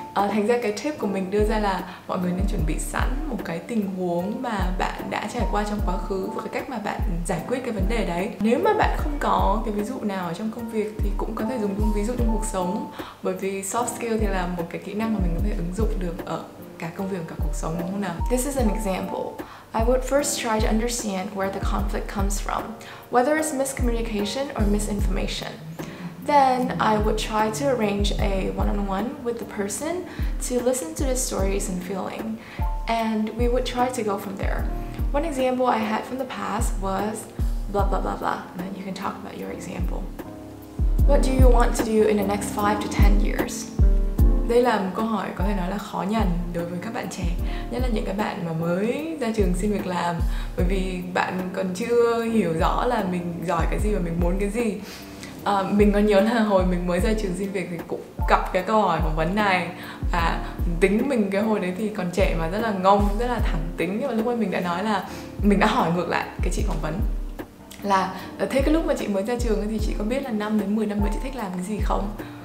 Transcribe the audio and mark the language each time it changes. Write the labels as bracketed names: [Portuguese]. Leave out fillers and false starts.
[Vietnamese] Thành ra cái tip của mình đưa ra là mọi người nên chuẩn bị sẵn một cái tình huống mà bạn đã trải qua trong quá khứ và cái cách mà bạn giải quyết cái vấn đề đấy. Nếu mà bạn không có cái ví dụ nào ở trong công việc thì cũng có thể dùng ví dụ trong cuộc sống, bởi vì soft skill thì là một cái kỹ năng mà mình có thể ứng dụng được ở cả công việc và cả cuộc sống đúng không nào? [English] This is an example. I would first try to understand where the conflict comes from, whether it's miscommunication or misinformation. Then I would try to arrange a one-on-one with the person to listen to the stories and feeling, and we would try to go from there. One example I had from the past was blah blah blah blah. And then you can talk about your example. What do you want to do in the next 5 to 10 years? [Vietnamese] Đây là một câu hỏi có thể nói là khó nhằn đối với các bạn trẻ, nhất là những các bạn mà mới ra trường xin việc làm, bởi vì bạn còn chưa hiểu rõ là mình giỏi cái gì và mình muốn cái gì. Mình còn nhớ là hồi mình mới ra trường xin việc thì cũng gặp cái câu hỏi phỏng vấn này, và tính mình cái hồi đấy thì còn trẻ mà rất là ngông, rất là thẳng tính, nhưng mà lúc ấy mình đã nói là mình đã hỏi ngược lại cái chị phỏng vấn là thế cái lúc mà chị mới ra trường thì chị có biết là 5 đến 10 năm nữa chị thích làm cái gì không?